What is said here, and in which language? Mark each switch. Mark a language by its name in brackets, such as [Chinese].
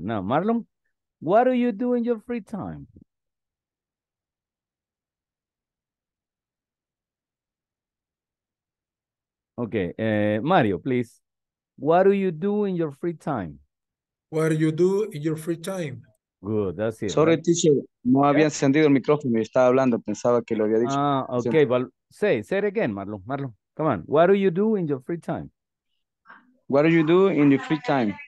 [English] Now, Marlon, what do you do in your free time? Okay, Mario, please. What do you do in your free time? What do you do in your free time? Good, that's it. Sorry, teacher, [Spanish] no había encendido el micrófono y estaba hablando, pensaba que lo había dicho. [English] Ah, okay, well, say it again, Marlon, come on. What do you do in your free time? What do you do in your free time?